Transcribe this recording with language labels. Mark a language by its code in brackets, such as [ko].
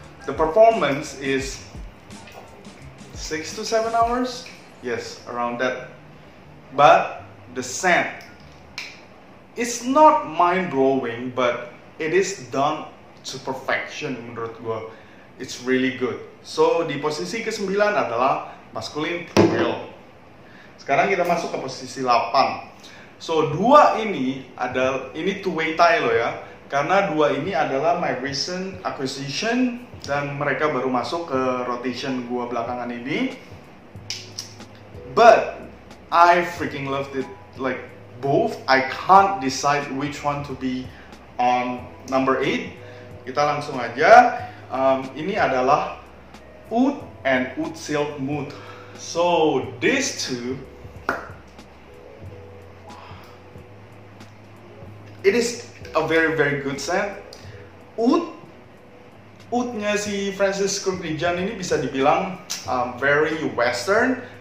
[en] The performance is 6 to 7 hours? Yes, around that. But the scent, it's not mind-blowing, but it is done to perfection [id] menurut gue. [en] It's really good. [id] So di posisi ke-9 adalah Masculine Pluriel. Sekarang kita masuk ke posisi 8. So dua ini adalah, ini [en] two-way tie [id] loh ya, karena dua ini adalah [en] my recent acquisition [id] dan mereka baru masuk ke rotation gua belakangan ini. [en] But I freaking loved it, like both. I can't decide which one to be on number 8. [id] Kita langsung aja. Ini adalah Oud and Oud Silk Mood. [en] So these two, it is a very very good scent. [id] Oud-nya si Francis Kurkdjian ini bisa dibilang [en] very western.